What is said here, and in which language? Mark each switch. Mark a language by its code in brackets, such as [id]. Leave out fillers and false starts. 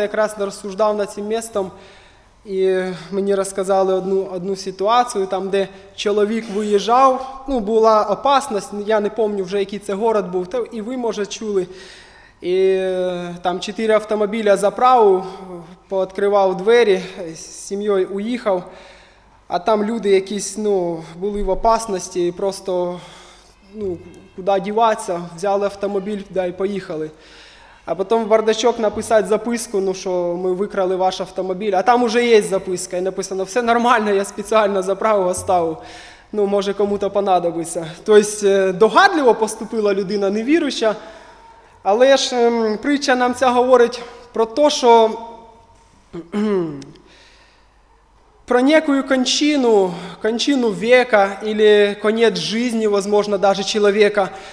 [uk] Я якраз розсуждав над цим містом, і мені розказали одну ситуацію, там, де чоловік виїжджав, була опасність, я не пам'ятаю вже, який це город був, та і ви, може, чули. І там 4 автомобіля заправу, пооткривав двері, з сім'єю уїхав, а там люди якісь були в опасності, просто [ru] куда деваться, взяли автомобиль, да, и поехали. А потом в бардачок написать записку, ну что мы выкрали ваш автомобиль. А там уже есть записка, и написано, все нормально, я специально заправу, оставу. Ну, может, кому-то понадобится. То есть догадливо поступила [uk] людина, невіруюча. Але ж притча нам ця говорить про те, що [ru] про некую кончину, кончину века или конец жизни, возможно, даже человека.